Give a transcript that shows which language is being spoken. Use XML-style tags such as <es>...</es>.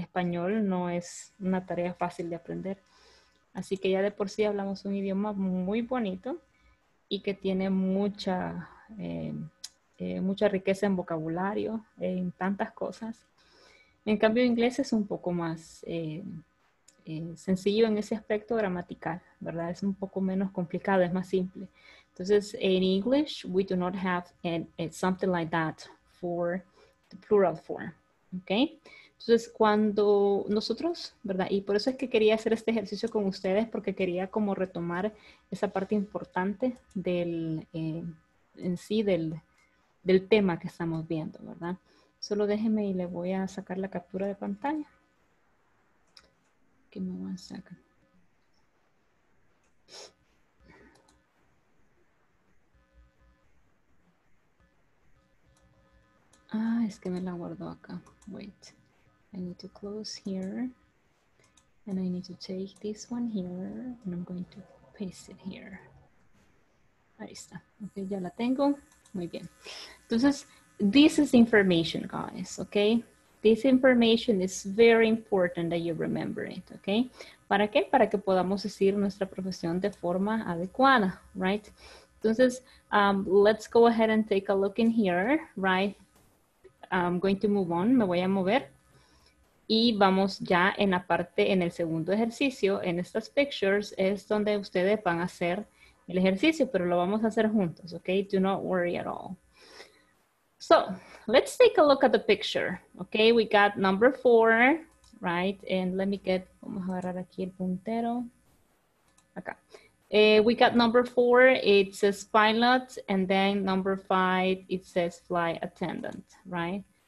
<es>Español no es una tarea fácil de aprender. Así que ya de por sí hablamos un idioma muy bonito y que tiene mucha, mucha riqueza en vocabulario, en tantas cosas. En cambio, inglés es un poco más... sencillo en ese aspecto gramatical, ¿verdad? Es un poco menos complicado, es más simple. Entonces,</es> <en>in English, we do not have something like that for the plural form, ¿ok?</en> <es>Entonces, cuando nosotros, ¿verdad? Y por eso es que quería hacer este ejercicio con ustedes, porque quería como retomar esa parte importante del, en sí, del tema que estamos viendo, ¿verdad? Solo déjeme y le voy a sacar la captura de pantalla.</es> <en>Give me one second.</en> <es>Ah, es que me la guardo acá.</es> <en>Wait. I need to close here. And I need to take this one here. And I'm going to paste it here.</en> <es>Ahí está.</es> <en>Ok,</en> <es>ya la tengo. Muy bien.</es> <en>Entonces, this is information, guys. Ok. This information is very important that you remember it, okay?</en> <es>¿Para qué? Para que podamos decir nuestra profesión de forma adecuada,</es> <en>right? Entonces, let's go ahead and take a look in here, right? I'm going to move on,</en> <es>me voy a mover. Y vamos ya en la parte, en el segundo ejercicio, en estas pictures, es donde ustedes van a hacer el ejercicio, pero lo vamos a hacer juntos, okay?</es> <en>Do not worry at all. So, let's take a look at the picture, okay? We got number four, right? And let me get,</en> <es>vamos a agarrar aquí el puntero. Acá.</es> <en>We got number four, it says pilot, and then number five, it says flight attendant, right?</en>